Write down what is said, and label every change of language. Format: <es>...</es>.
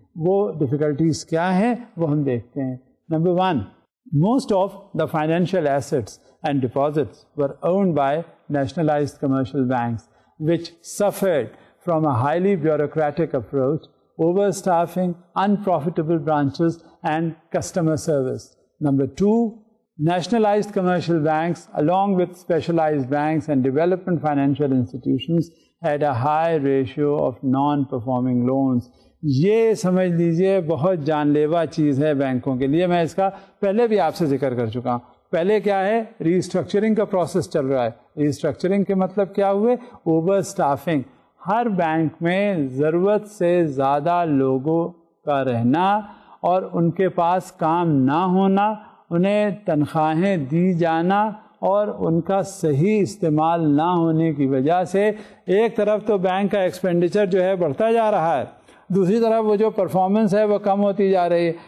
<ur>وہ ڈفیکلٹیز کیا ہیں وہ ہم دیکھتے ہیں.</ur> <en>Number one, most of the financial assets and deposits were earned by nationalised commercial banks which suffered from a highly bureaucratic approach, overstaffing, unprofitable branches and customer service. Number two, nationalized commercial banks along with specialized banks and development financial institutions had a high ratio of non-performing loans.</en> <ur>یہ سمجھ لیجئے بہت جان لیوا چیز ہے بینکوں کے لیے. میں اس کا پہلے بھی آپ سے ذکر کر چکا ہوں. پہلے کیا ہے, ریسٹرکچرنگ کا پروسیس چل رہا ہے. ریسٹرکچرنگ کے مطلب کیا ہوئے, اوور اسٹافنگ. ہر بینک میں ضرورت سے زیادہ لوگوں کا رہنا اور ان کے پاس کام نہ ہونا, انہیں تنخواہیں دی جانا اور ان کا صحیح استعمال نہ ہونے کی وجہ سے ایک طرف تو بینک کا ایکسپینڈیچر جو ہے بڑھتا جا رہا ہے, دوسری طرف وہ جو پرفارمنس ہے وہ کم ہوتی جا رہی ہے.</ur>